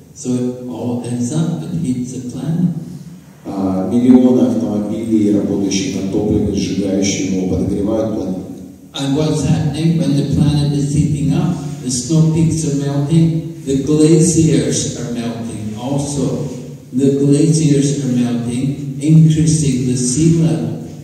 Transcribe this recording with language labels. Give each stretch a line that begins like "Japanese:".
English: So it all ends up and heats the planet.
Russian: Миллионы автомобилей, работающих на топливе, сжигающих его, подогревают планету.
English: And what's happening when the planet is heating up? The snow peaks are melting. The glaciers are melting. Also, the glaciers are melting, increasing the sea level.